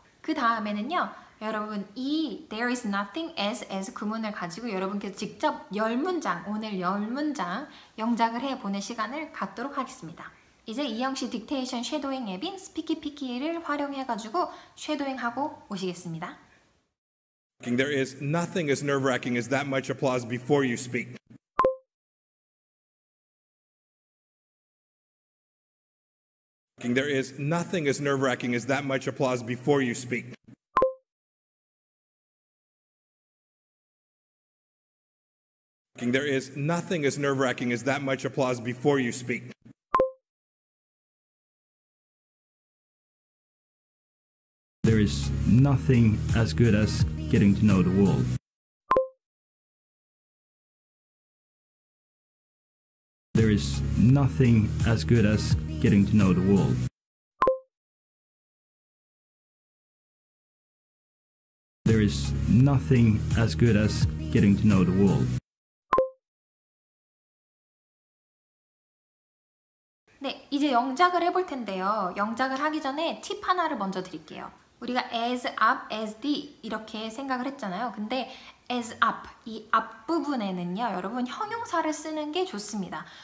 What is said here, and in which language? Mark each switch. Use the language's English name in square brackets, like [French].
[Korean] 그 다음에는요, 여러분 이 [English] there is nothing as [Korean] 구문을 가지고 여러분께서 직접 열 문장, 오늘 열 문장 영작을 해 보낼 시간을 갖도록 하겠습니다. 이제 이영씨 딕테이션 쉐도잉 앱인 스피키피키를 활용해 가지고 쉐도잉 하고 오시겠습니다. [English] There is nothing as nerve-wracking as that much applause before you speak. There is nothing as nerve-wracking as that much applause before you speak. There is nothing as nerve-wracking as that much applause before you speak. t There is nothing as good as getting to know the world. There is nothing as good as getting to know the world. There is nothing as good as getting to know the world. [Korean] 네, 이제 영작을 해볼 텐데요. 영작을 하기 전에 팁 하나를 먼저 드릴게요. 우리가 [English] as up, as d [Korean] 이렇게 생각을 했잖아요. 근데 as up, 이 앞부분에는요, 여러분 형용사를 쓰는 게 좋습니다.